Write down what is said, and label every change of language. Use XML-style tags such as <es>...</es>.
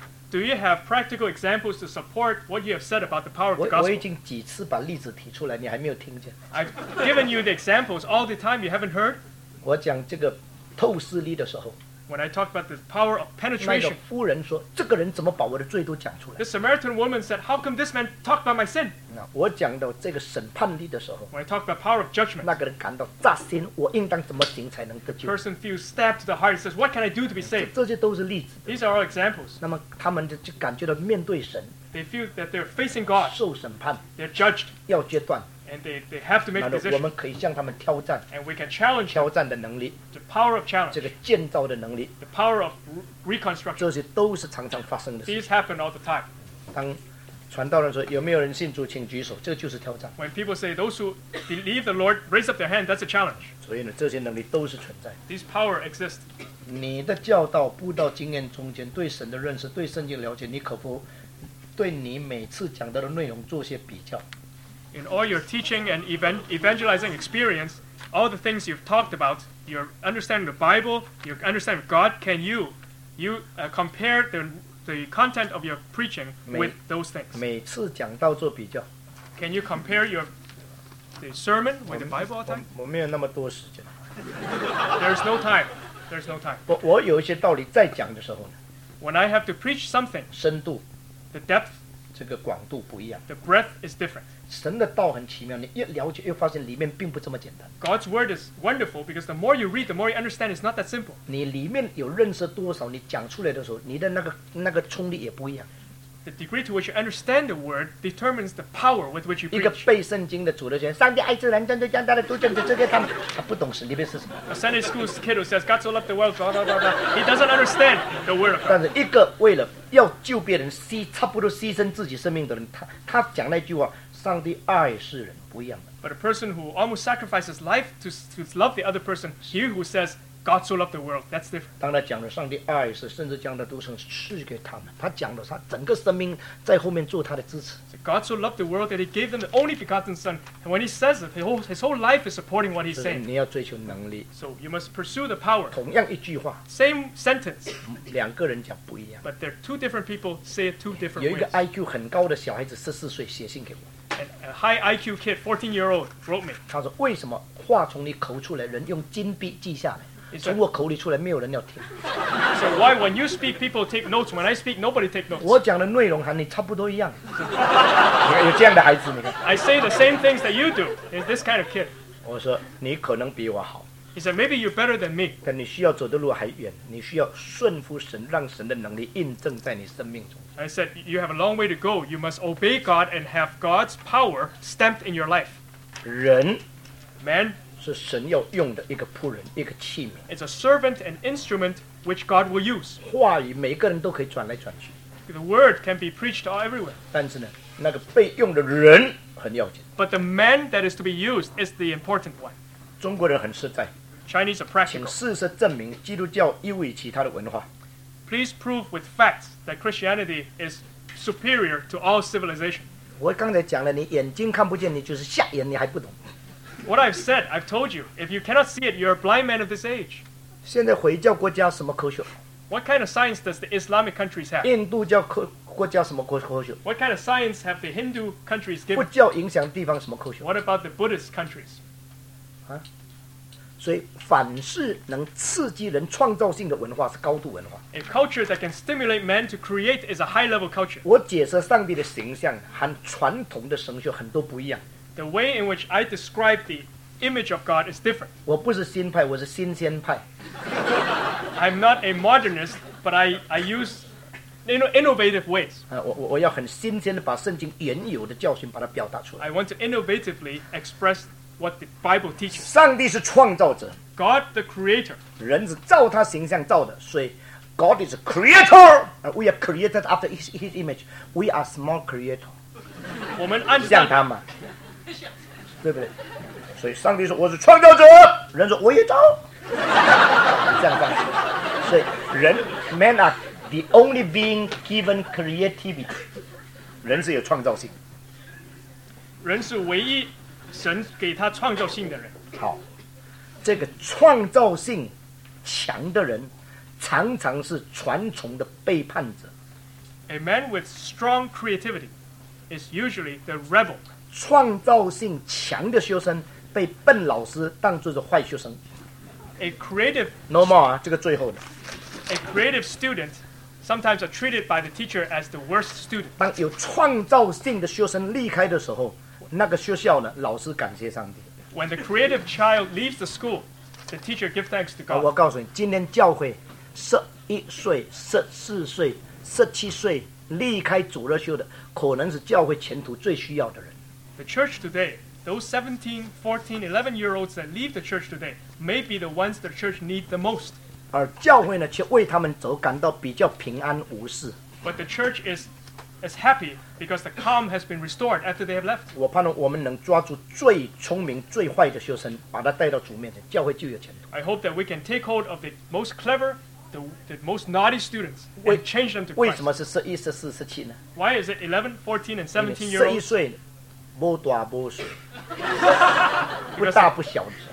<en>Do you have practical examples to support what you have said about the power of the gospel?</en> <zh>我已经几次把例子提出来，你还没有听见。</zh> <en>I've given you the examples all the time. You haven't heard.</en> <zh>我讲这个透视力的时候</zh> <en>，When I talked about the power of penetration,</en> <zh>那个夫人说，这个人怎么把我的罪都讲出来</zh> <en>？The Samaritan woman said, "How come this man talked about my sin?"</en> <zh>那我讲到这个审判力的时候</zh> <en>，When I talked about power of judgment,</en> <zh>那个人感到扎心，我应当怎么行才能得救</zh> <en>？Person feels stabbed to the heart. Says, "What can I do to be saved?"</en> <zh>这些都是例子。</zh> <en>These are all examples.</en> <zh>那么他们就感觉到面对神</zh> <en>，They feel that they're facing God.</en> <zh>受审判</zh> <en>，They're judged.</en> <zh>要决断。</zh> <en>And they have to make a decision.</en> <zh>我们可以向他们挑战。</zh> <en>And we can challenge them.</en> <zh>挑战的能力。</zh> <en>The power of challenge.</en> <zh>这个建造的能力。</zh> <en>The power of reconstruction.</en> <zh>这些都是常常发生的事。</zh> <en>These happen all the time.</en> <zh>当传道人说有没有人信主请举手，这就是挑战。</zh> <en>When people say those who believe the Lord raise up their hand, that's a challenge.</en> <zh>所以呢，这些能力都是存在。</zh> <en>These power exist.</en> <zh>你的教导步到经验中间，对神的认识，对圣经了解，你可否对你每次讲到的内容做些比较？</zh> <en>In all your teaching and evangelizing experience, all the things you've talked about, your understanding the Bible, your understanding of God, can you compare the content of your preaching with those things?</en> <zh>每次讲道做比较。</zh> <en>Can you compare the sermon with the Bible all the time?</en> <zh>我没有那么多时间。</zh> <en>There's no time.</en> <zh>我有一些道理在讲的时候呢，</zh> <en>When I have to preach something,</en> <zh>深度</zh> <en>The depth,</en> <zh>这个广度不一样。</zh> <en>The breadth is different.</en> <zh>神的道很奇妙，你越了解越发现里面并不这么简单。</zh> <en>God's word is wonderful because the more you read, the more you understand. It's not that simple.</en> <zh>你里面有认识多少，你讲出来的时候，你的那个冲力也不一样。</zh> <en>The degree to which you understand the word determines the power with which you preach.</en> <zh>一个背圣经的主的学生，上帝爱自然，将这将他的都将这这些他们，他不懂神里面是什么。</zh> <en>A Sunday school kid who says God so loved the world, blah blah blah, he doesn't understand the word.</en> <zh>但是一个为了要救别人，差不多牺牲自己生命的人，他讲那句话，上帝爱世人不一样的。</zh> <en>But a person who almost sacrifices life to love the other person, he who says God so loved the world, that's different.</en> <zh>当他讲了上帝爱是甚至将他独生赐给他们，他讲了他整个生命在后面做他的支持。</zh> <en>So God so loved the world that he gave them the only begotten son. And when he says it, his whole life is supporting what he's saying.</en> <zh>你要追求能力。</zh> <en>So you must pursue the power.</en> <zh>同样一句话。</zh> <en>Same sentence.</en> <zh>两个人讲不一样。</zh> <en>But they're two different people say it two different ways.</en> <zh>有一个 IQ 很高的小孩子14岁写信给我。</zh> <en>A high IQ kid, 14 year old, wrote me.</en> <zh>他说为什么话从你口出来，人用金笔记下来？从我口里出来，没有人要听。</zh> <en>So why when you speak, people take notes? When I speak, nobody take notes.</en> <zh>我讲的内容和你差不多一样。有这样的孩子，你看。</zh> <en>I say the same things that you do. Is this kind of kid?</en> <zh>我说你可能比我好。</zh> <en>He said maybe you're better than me.</en> <zh>但你需要走的路还远，你需要顺服神，让神的能力印证在你生命中。</zh> <en>I said you have a long way to go. You must obey God and have God's power stamped in your life.</en> <zh>人</zh> <en>，man。</en> <zh>是神要用的一个仆人，一个器皿。</zh> <en>It's a servant and instrument which God will use.</en> <zh>话语每个人都可以转来转去。</zh> <en>The word can be preached all everywhere.</en> <zh>但是呢，那个被用的人很要紧。</zh> <en>But the man that is to be used is the important one.</en> <zh>中国人很实在。</zh> <en>Chinese are practical.</en> <zh>请事实证明基督教优于其他的文化。</zh> <en>Please prove with facts that Christianity is superior to all civilization.</en> <zh>我刚才讲了，你眼睛看不见，你就是瞎眼，你还不懂。</zh> <en>What I've said, I've told you. If you cannot see it, you're a blind man of this age.</en> <zh>现在回教国家什么科学？</zh> <en>What kind of science does the Islamic countries have?</en> <zh>印度教国家什么科学？</zh> <en>What kind of science have the Hindu countries given?</en> <zh>佛教影响地方什么科学？</zh> <en>What about the Buddhist countries?</en> <zh>啊，所以凡是能刺激人创造性的文化是高度文化。</zh> <en>A culture that can stimulate man to create is a high-level culture.</en> <zh>我解释上帝的形象和传统的神学很多不一样。</zh> <en>The way in which I describe the image of God is different.</en> <zh>我不是新派，我是新鲜派。</zh> <en>I'm not a modernist, but I use innovative ways.</en> <zh>我要很新鲜的把圣经原有的教训把它表达出来。</zh> <en>I want to innovatively express what the Bible teaches.</en> <zh>上帝是创造者。</zh> <en>God the creator.</en> <zh>人是照他形象造的，所以</zh> <en>God is a creator. We are created after his image. We are small creator.</en> <zh>我们按像他嘛。对不对？所以上帝说我是创造者，人说我也造，这样。所以人，man are the only being given creativity，人是有创造性，人是唯一神给他创造性的人。好，这个创造性强的人，常常是传统的背叛者。</zh> <en>A man with strong creativity is usually the rebel。</en> <zh>创造性强的学生被笨老师当作是坏学生。</zh> <en>A creative no more</en> <zh>啊，这个最后的。</zh> <en>A creative student sometimes are treated by the teacher as the worst student.</en> <zh>当有创造性的学生离开的时候，那个学校呢，老师感谢上帝。</zh> <en>When the creative child leaves the school, the teacher gives thanks to God.</en> <zh>我告诉你，今天教会11岁、14岁、17岁离开主日学的，可能是教会前途最需要的人。</zh> <en>The church today, those 17, 14, 11-year-olds that leave the church today may be the ones the church needs the most.</en> <zh>而教会呢，却为他们走，感到比较平安无事。</zh> <en>But the church is is happy because the calm has been restored after they have left.</en> <zh>我盼望我们能抓住最聪明、最坏的学生，把他带到主面前，教会就有前途。</zh> <en>I hope that we can take hold of the most clever, the most naughty students and change them to Christ.</en> <zh>为什么是十一、十四、十七呢</zh> <en>？Why is it 11, 14, and 17 years old?</en> <zh>十一岁，不大不小，不大不小。</zh>